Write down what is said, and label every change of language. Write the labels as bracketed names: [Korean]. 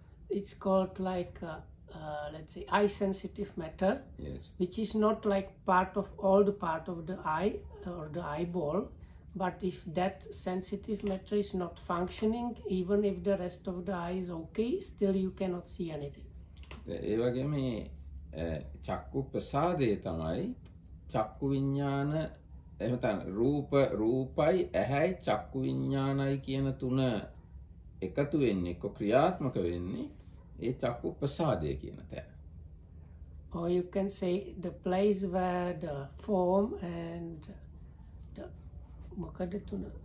[English] It's called like let's say eye sensitive matter, yes, which is not like part of all the part of the eye or the eyeball, but if that sensitive matter is not functioning, even if the rest of the eye is okay, still you cannot see anything. [Sinhala] ඒ වගේම මේ චක්කු ප්‍රසාදය තමයි චක්කු විඥාන එහෙම තමයි රූපයි ඇහැයි චක්කු විඥානයි කියන තුන එකතු වෙන්නේ කො ක්‍රියාත්මක වෙන්නේ ඒ චක්කු ප්‍රසාදය කියන තැන. [English] Or you can say the place where the form and the [Sinhala] මොකද තුන